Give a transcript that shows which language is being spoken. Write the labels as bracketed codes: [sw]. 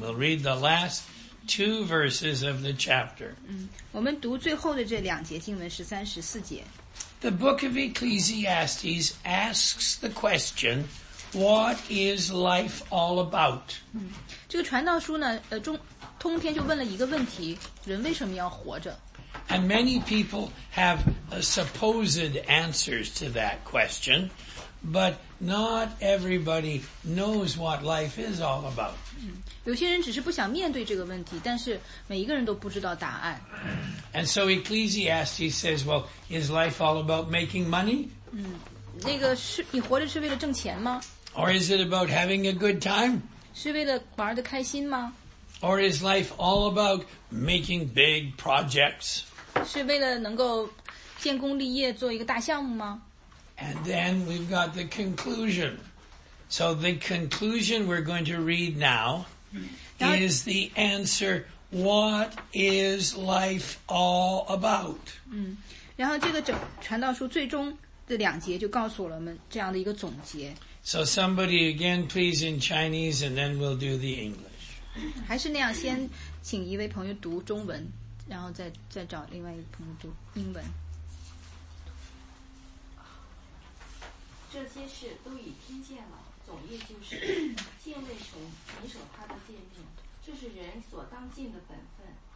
[en] We'll read the last two verses of the chapter. [zh] 我们读最后的这两节经文，十三、十四节。 [en] The book of Ecclesiastes asks the question, what is life all about? [zh] 这个传道书呢，通篇就问了一个问题，人为什么要活着？ [en] And many people have supposed answers to that question, but not everybody knows what life is all about. [zh] 有些人只是不想面对这个问题，但是每一个人都不知道答案。 [en] And so Ecclesiastes says, well, is life all about making money? [zh] 那个是，你活着是为了挣钱吗？ [en] Or is it about having a good time? [zh] 是为了玩得开心吗？ [en] Or is life all about making big projects? [zh] 是为了能够建功立业做一个大项目吗？ [en] And then we've got the conclusion. So the conclusion we're going to read now is the answer, what is life all about? [zh] 然后这个整传道书最终的两节就告诉了我们这样的一个总结。 [en] So somebody again please in Chinese and then we'll do the English. [zh] 还是那样，先请一位朋友读中文，然后再找另外一位朋友读英文。这些事都已听见了，总业就是敬畏神，谨守他的诫命，这是人所当尽的本分。